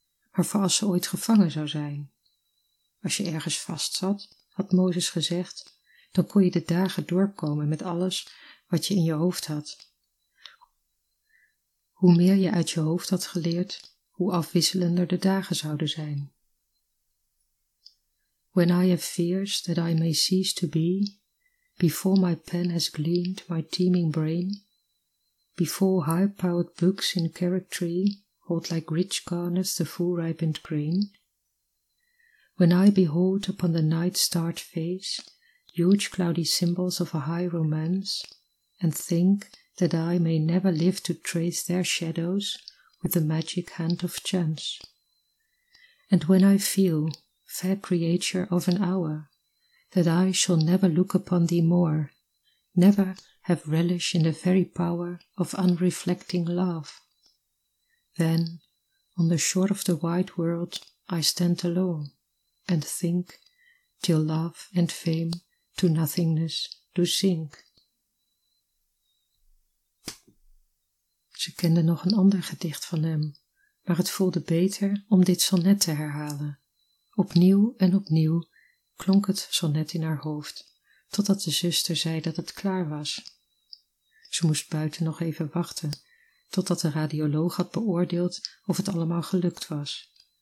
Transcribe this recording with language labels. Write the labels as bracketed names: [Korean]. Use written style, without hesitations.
[Dutch] Maar voor als ze ooit gevangen zou zijn. Als je ergens vast zat, had Mozes gezegd, dan kon je de dagen doorkomen met alles wat je in je hoofd had. Hoe meer je uit je hoofd had geleerd, hoe afwisselender de dagen zouden zijn. [English] When I have fears that I may cease to be, before my pen has gleamed my teeming brain, before high-powered books in carrot tree hold like rich garnets the full-ripened grain, when I behold upon the night-starred face huge cloudy symbols of a high romance, and think that I may never live to trace their shadows with the magic hand of chance. And when I feel, fair creature of an hour, that I shall never look upon thee more, never have relish in the very power of unreflecting love, then, on the shore of the wide world, I stand alone, and think, till love and fame to nothingness do sink. [Dutch] Ze kende nog een ander gedicht van hem, maar het voelde beter om dit sonnet te herhalen. Opnieuw en opnieuw klonk het sonnet in haar hoofd, totdat de zuster zei dat het klaar was. Ze moest buiten nog even wachten, totdat de radioloog had beoordeeld of het allemaal gelukt was.